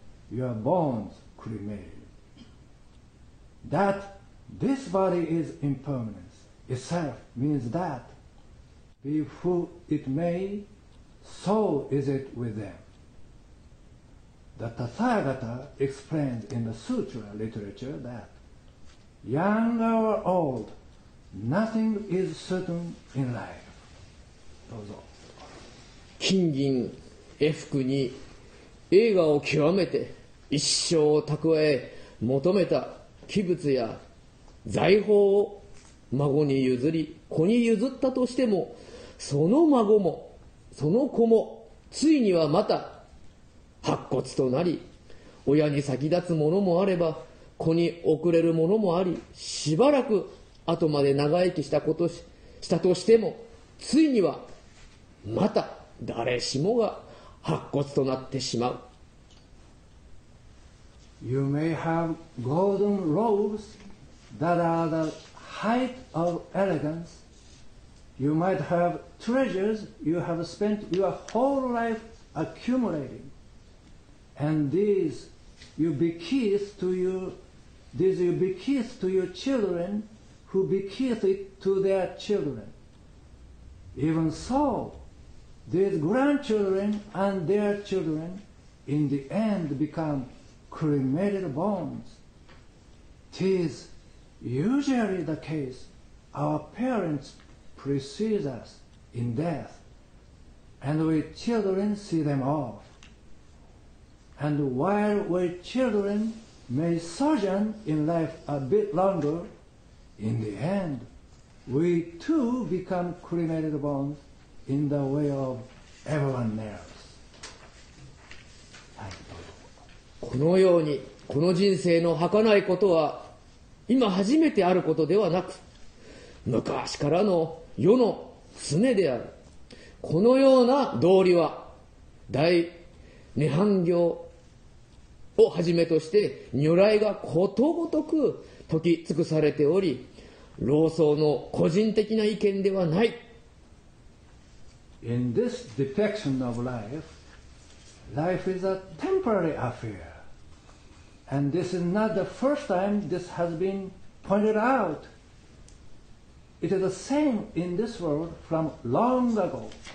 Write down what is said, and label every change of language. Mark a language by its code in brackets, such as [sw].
[en] Your bones cremate. That this body is impermanence itself means that, be who it may, so is it with them. The Tathagata explains in the sutra literature that, young or old, nothing is certain in life. [ja] どうぞ。金銀、衣服に栄華を極めて一生を蓄え求めた器物や財宝を孫に譲り、子に譲ったとしても、その孫も、その子も、ついにはまた白骨となり、親に先立つものもあれば、子に遅れるものもあり、しばらく後まで長生きしたことし、したとしても、ついにはまた誰しもが白骨となってしまう。 [en] You may have golden robes that are the height of elegance. You might have treasures you have spent your whole life accumulating. And these you bequeath to your children, who bequeath it to their children. Even so, these grandchildren and their children in the end become cremated bones. 'Tis usually the case our parents precede us in death, and we children see them off. And while we children may sojourn in life a bit longer, in the end, we too become cremated bones in the way of everyone else. [ja] このようにこの人生の儚いことは今初めてあることではなく、昔からの世の常である。このような道理は大涅槃行をはじめとして如来がことごとく説き尽くされており、老僧の個人的な意見ではない。 [en] In this depiction of life, life is a temporary affair. And this is not the first time this has been pointed out. It is the same in this world from long ago.